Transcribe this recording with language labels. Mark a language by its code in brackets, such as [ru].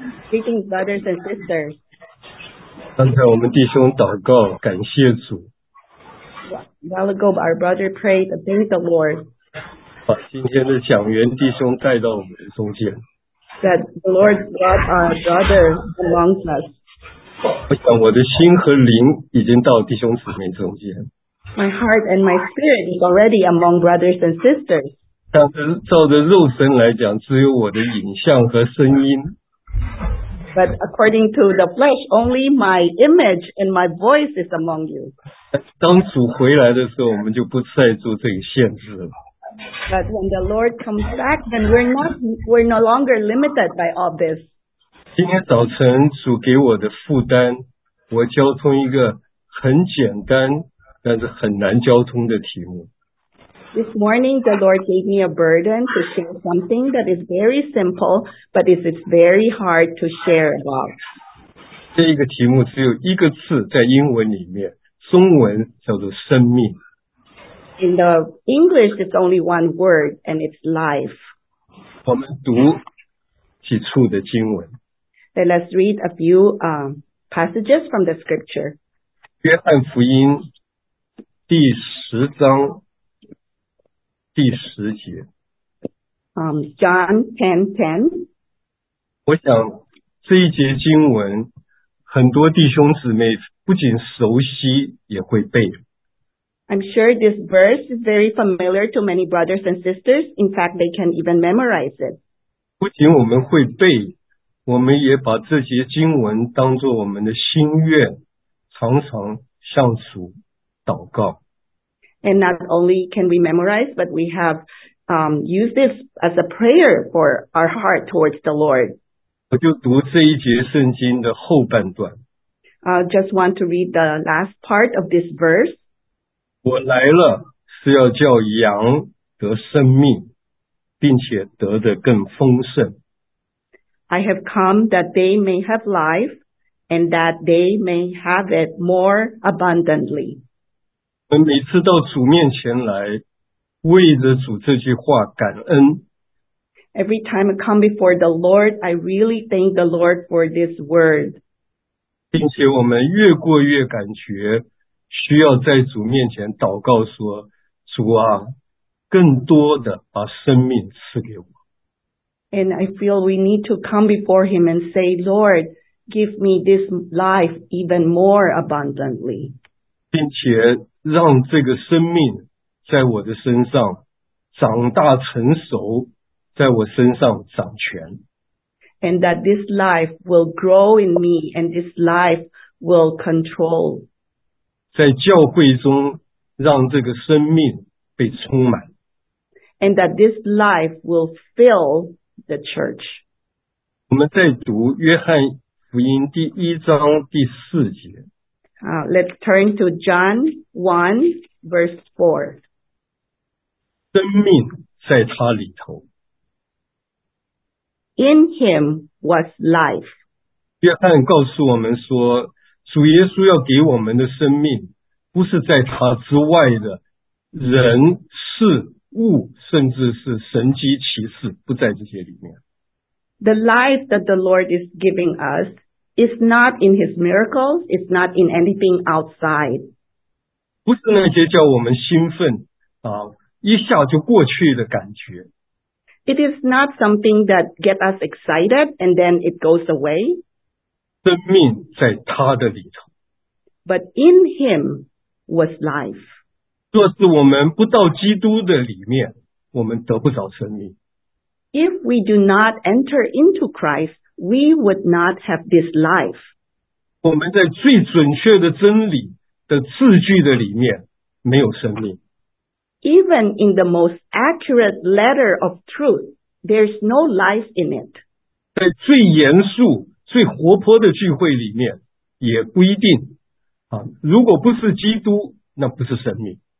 [en] Greetings, brothers and sisters. [zh] 刚才我们弟兄祷告，感谢主。 [en] While ago, our brother prayed, thank the Lord. [zh] 把今天的讲员弟兄带到我们中间。 [en] That the Lord brought our brother among us. [zh] 我想我的心和灵已经到弟兄姊妹中间。 [en] My heart and my spirit is already among brothers and sisters. [zh] 但是照着肉身来讲，只有我的影像和声音。 [en] But according to the flesh, only my image and my voice is among you. [zh] 当主回来的时候，我们就不再做这个限制了。 [en] But when the Lord comes back, then we're no longer limited by all this. [zh] 今天早晨主给我的负担，我交通一个很简单。但是很难交通的题目。 [en] This morning, the Lord gave me a burden to share something that is very simple, but it's very hard to share about. [zh] 这一个题目只有一个字在英文里面，中文叫做生命。 [en] In the English, it's only one word, and it's life. [zh] 我们读几处的经文。 [en] Then let's read a few passages from the scripture. [zh] 约翰福音第十章第十节。 [en] John 10:10. [zh] 我想这一节经文很多弟兄姊妹不仅熟悉也会背。 [en] I'm sure this verse is very familiar to many brothers and sisters. In fact, they can even memorize it. [zh] 不仅我们会背，我们也把这节经文当作我们的心愿，常常向主祷告。 [en] And not only can we memorize, but we have used this as a prayer for our heart towards the Lord. [zh] 我就读这一节圣经的后半段。 [en] I just want to read the last part of this verse. [zh] 我来了是要叫羊得生命，并且得的更丰盛。 [en] I have come that they may have life, and that they may have it more abundantly. [zh] 我们每次到主面前来，为着主这句话感恩。 [en] Every time I come before the Lord, I really thank the Lord for this word. [zh] 并且我们越过越感觉需要在主面前祷告说，主啊，更多的把生命赐给我。 [en] And I feel we need to come before Him and say, Lord, give me this life even more abundantly. [zh] 并且让这个生命在我的身上长大成熟，在我身上掌权。 [en] And that this life will grow in me, and this life will control. [zh] 在教会中，让这个生命被充满。 [en] And that this life will fill the church. [zh] 我们在读约翰福音第一章第四节。 [en] Let's turn to John 1:4. [zh] 生命在他里头。 [en] In him was life. [zh] 约翰告诉我们说，主耶稣要给我们的生命，不是在他之外的人、事、物，甚至是神迹奇事，不在这些里面。 [en] The life that the Lord is giving us,It's not in his miracles, it's not in anything outside. [zh] 不是那些叫我们兴奋啊，一下就过去的感觉。 [en] It is not something that gets us excited and then it goes away. [zh] 生命在他的里头。 [en] But in him was life. [zh] 若是我们不到基督的里面，我们得不着生命。 [en] If we do not enter into Christ,We would not have this life. [zh] 我们在最准确的真理的字句的里面没有生命。 [en] Even in the most accurate letter of truth, there's no life in it. [zh] 在最严肃、最活泼的聚会里面也不一定。如果不是基督，那不是生命。